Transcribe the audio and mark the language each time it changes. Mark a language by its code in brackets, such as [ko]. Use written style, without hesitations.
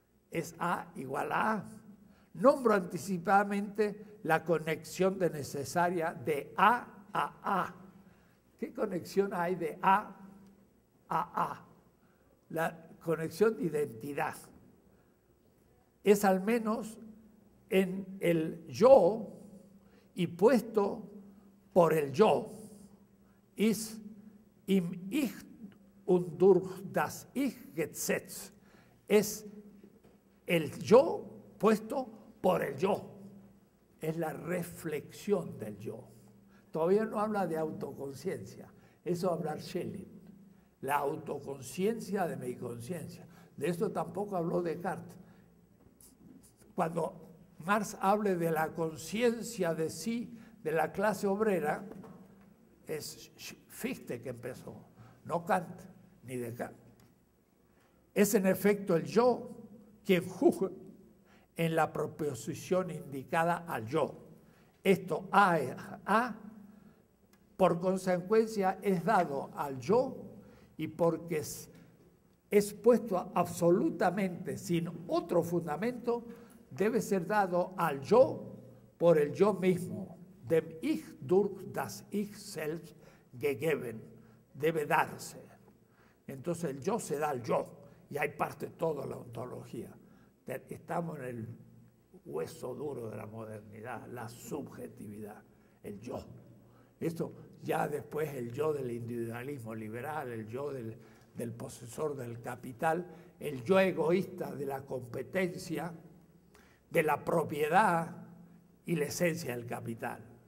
[es] Es A igual a A. Nombro anticipadamente la conexión de necesaria de A a A. ¿Qué conexión hay de A a A? La conexión de identidad. Es al menos en el yo y puesto por el yo. [de] Ist im Ich und durch das Ich gesetzt. [es] Es el yo puesto por el yo. Es la reflexión del yo. Todavía no habla de autoconciencia. Eso va a hablar Schelling. La autoconciencia de mi conciencia. De eso tampoco habló Descartes. Cuando Marx hable de la conciencia de sí, de la clase obrera, es Fichte que empezó, no Kant ni Descartes. Es en efecto el yo quien juzga en la proposición indicada al yo. Esto A es A, por consecuencia es dado al yo y porque es puesto absolutamente sin otro fundamento, debe ser dado al yo por el yo mismo. [de] Dem Ich durch das Ich selbst gegeben. [es] Debe darse. Entonces el yo se da al yo. Y ahí parte toda la ontología. Estamos en el hueso duro de la modernidad, la subjetividad, el yo. Esto ya después el yo del individualismo liberal, el yo del posesor del capital, el yo egoísta de la competencia, de la propiedad y la esencia del capital.